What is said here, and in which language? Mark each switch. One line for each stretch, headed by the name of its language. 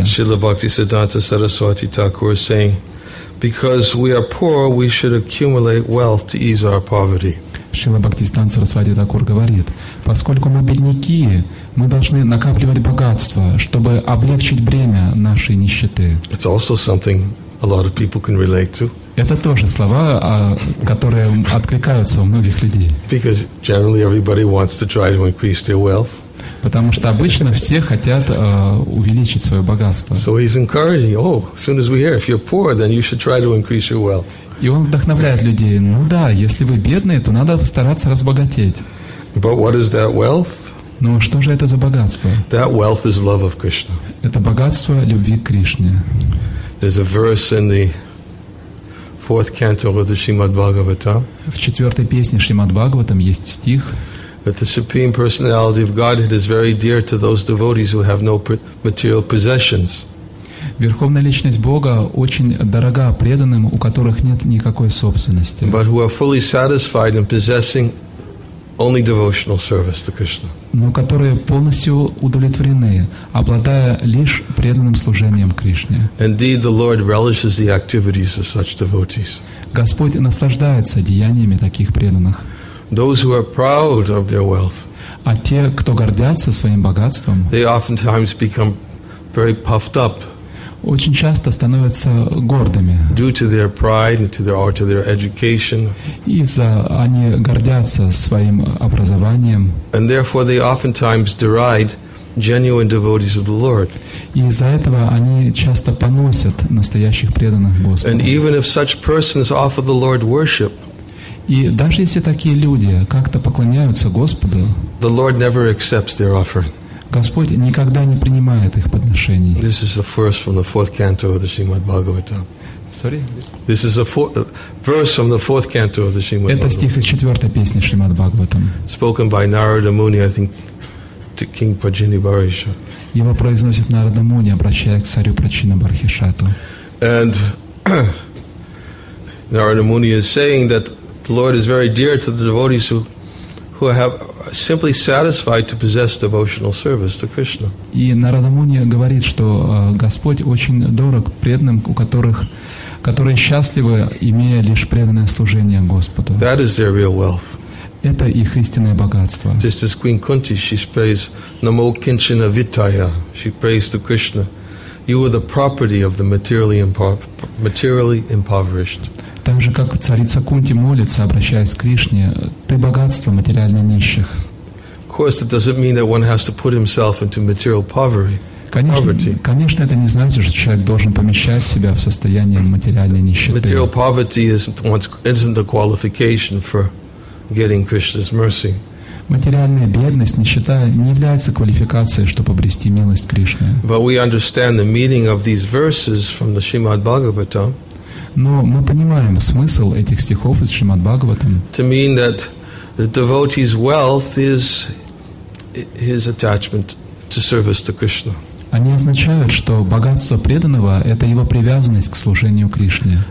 English: Śrīla Bhaktisiddhānta Saraswati Thakura is saying, because we are poor, we should accumulate wealth to ease our poverty.
Russian: Śrīla Bhaktisiddhānta Saraswati Thakura говорит, поскольку мы бедняки, мы должны накапливать богатство, чтобы облегчить бремя нашей нищеты.
English: It's also something a lot of people can relate to.
Russian: Это тоже слова, которые откликаются у многих людей.
English: Because generally everybody wants to try to increase their wealth.
Russian: Потому что обычно все хотят увеличить свое богатство.
English: So he's encouraging, as soon as we hear, if you're poor, then you should try to increase your wealth.
Russian: И он вдохновляет людей. Ну да, если вы бедные, то надо стараться разбогатеть.
English: But what is that wealth?
Russian: Но что же это за богатство?
English: That wealth is love of Krishna.
Russian: Это богатство любви к Кришне.
English: There's a verse in the fourth canto of the Shrimad Bhagavatam.
Russian: В четвертой песне Шримад Бхагаватам есть стих.
English: That the Supreme Personality of Godhead is very dear to those devotees who have no material possessions.
Russian: Верховная личность Бога очень дорога преданным, у которых нет никакой собственности.
English: But who are fully satisfied in possessing only devotional service to Krishna.
Russian: Но которые полностью удовлетворены, обладая лишь преданным служением Кришне.
English: Indeed, the Lord relishes the activities of such devotees.
Russian: Господь наслаждается деяниями таких преданных.
English: Those who are proud of their wealth.
Russian: А те, кто гордятся своим богатством,
English: they oftentimes become very puffed up.
Russian: Очень часто становятся гордыми.
English: Due to their pride and to their education.
Russian: Из-за они гордятся своим образованием.
English: And therefore they oftentimes deride genuine devotees of the Lord.
Russian: И из-за этого они часто поносят настоящих преданных Господа.
English: And even if such persons offer the Lord worship.
Russian: И даже если такие люди как-то поклоняются Господу,
English: the Lord never accepts their offering.
Russian: Господь никогда не принимает их подношений.
English: This is a verse from the fourth canto of the Shrimad Bhagavatam. Sorry? This is a verse from the fourth canto of the Shrimad Bhagavatam.
Russian: Это стих из четвертой песни Шримад Бхагаватам.
English: Spoken by Narada Muni, I think, to King Pajini Barisha.
Russian: Его произносит Нарада Муни, обращаясь к царю Прачина Бархишату.
English: And Narada Muni is saying that the Lord is very dear to the devotees who have simply satisfied to possess devotional service to Krishna.
Russian: И Нарада Муни говорит, что Господь очень дорог преданным, которые счастливы, имея лишь преданное служение Господу.
English: That is their real wealth.
Russian: Это их истинное богатство.
English: Just as Queen Kunti, she prays Namo Kinchana Vitaya. She prays to Krishna, "You are the property of the materially impoverished."
Russian: Так же, как царица Кунти молится, обращаясь к Кришне, «Ты богатство материально нищих». Конечно, это не значит, что человек должен помещать себя в состояние материальной нищеты.
English: Material poverty isn't the qualification for getting Krishna's mercy.
Russian: Материальная бедность, нищета, не является квалификацией, чтобы обрести милость Кришны.
English: But we understand the meaning of these verses from the Shrimad Bhagavatam.
Russian: Но мы понимаем смысл этих стихов из Шримад Бхагаватам.
English: To mean that the devotee's wealth is his attachment to service to Krishna.
Russian: Они означают, что богатство преданного — это его привязанность к служению Кришне.